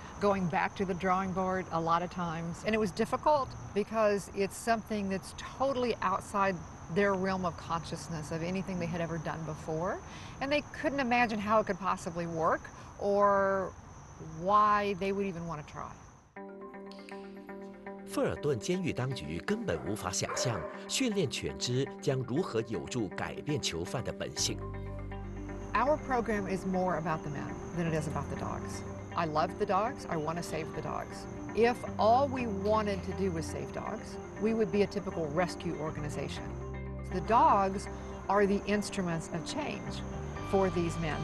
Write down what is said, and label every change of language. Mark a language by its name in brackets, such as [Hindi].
[English] Going back to the drawing board a lot of times. And it was difficult because it's something that's totally outside their realm of consciousness of anything they had ever done before. And they couldn't imagine how it could possibly work or why they would even want to try. [Chinese] 富尔顿监狱当局根本无法想象训练犬只将如何有助改变囚犯的本性。 [English] Our program is more about the men than it is about the dogs. I love the dogs. I want to save the dogs. If all we wanted to do was save dogs, we would be a typical rescue organization. The dogs are the instruments of change for these men.